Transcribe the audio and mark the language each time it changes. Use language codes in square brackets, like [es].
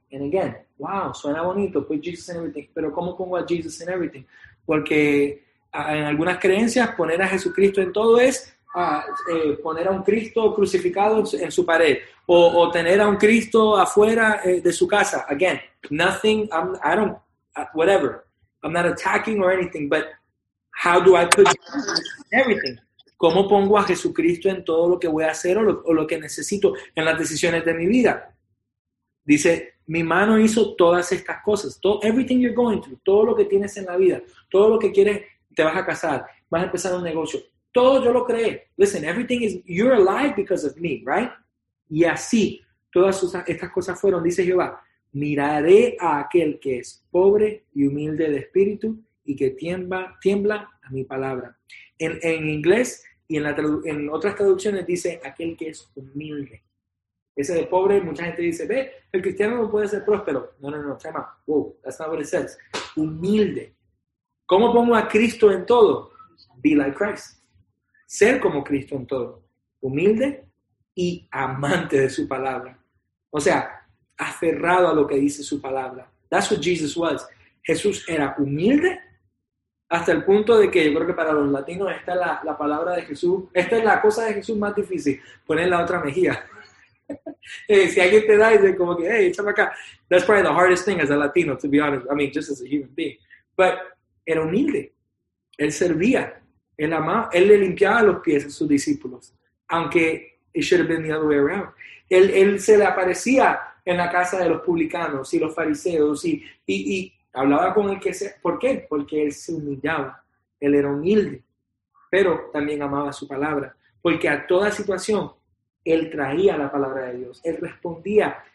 [en] And again, wow, [es] suena bonito, [en] put Jesus in everything. [es] Pero ¿cómo pongo a Jesus [en] in everything? [es] Porque en algunas creencias, poner a Jesucristo en todo es poner a un Cristo crucificado en su pared. O tener a un Cristo afuera de su casa. [en] Again, nothing, whatever. I'm not attacking or anything, but how do I put Jesus in everything? [es] ¿Cómo pongo a Jesucristo en todo lo que voy a hacer o lo que necesito en las decisiones de mi vida? Dice mi mano hizo todas estas cosas. [en] Everything you're going through, [es] todo lo que tienes en la vida, todo lo que quieres, te vas a casar, vas a empezar un negocio. Todo yo lo creé. [en] Listen, everything is, you're alive because of me, right? [es] Y así, todas estas cosas fueron, dice Jehová, miraré a aquel que es pobre y humilde de espíritu y que tiembla a mi palabra. En inglés y en otras traducciones dice aquel que es humilde. Ese de pobre, mucha gente dice, ve, el cristiano no puede ser próspero. No, chama, [en] wow, that's not what it says. [es] Humilde. ¿Cómo pongo a Cristo en todo? [en] Be like Christ. [es] Ser como Cristo en todo. Humilde y amante de su palabra. O sea, aferrado a lo que dice su palabra. [en] That's what Jesus was. [es] Jesús era humilde hasta el punto de que yo creo que para los latinos esta es la palabra de Jesús, esta es la cosa de Jesús más difícil, poner la otra mejilla. Si alguien te da y dice como que, hey, échame acá. [en] That's probably the hardest thing as a Latino, to be honest. I mean, just as a human being. But [es] era humilde. Él servía. Él amaba. Él le limpiaba los pies a sus discípulos. [en] Aunque it should have been the other way around. [es] Él se le aparecía en la casa de los publicanos y los fariseos y hablaba con el que se... ¿Por qué? Porque él se humillaba. Él era humilde. Pero también amaba su palabra. Porque a toda situación... Él traía la palabra de Dios. Él respondía.